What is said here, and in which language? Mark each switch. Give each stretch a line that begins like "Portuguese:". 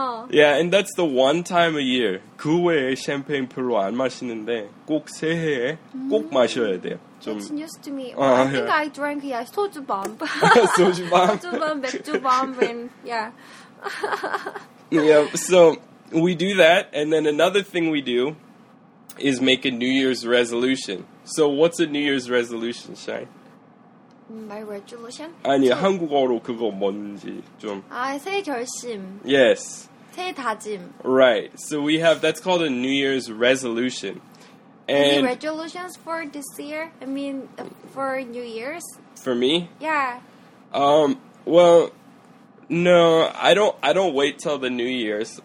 English: Yeah, and that's the one time a year.
Korean: 그 외에 샴페인 별로 안 마시는데 꼭 새해에 꼭 마셔야 돼요.
English: That's news to me. Well, I think I drank, soju bomb. Soju bomb. Soju bomb, baekju bomb, and yeah. Yeah, so we do that, and then another thing we do is make a New Year's resolution. So what's a New Year's resolution, Shine? My resolution?
Korean: 아니, 한국어로 그거 뭔지 좀. 아, 새 결심.
English: Yes.
Korean: 새 다짐.
English: Right. So we have, that's called a New Year's resolution. And any resolutions for this year? I mean, for New Year's? For me? Yeah. Well, no, I don't wait till the New Year's.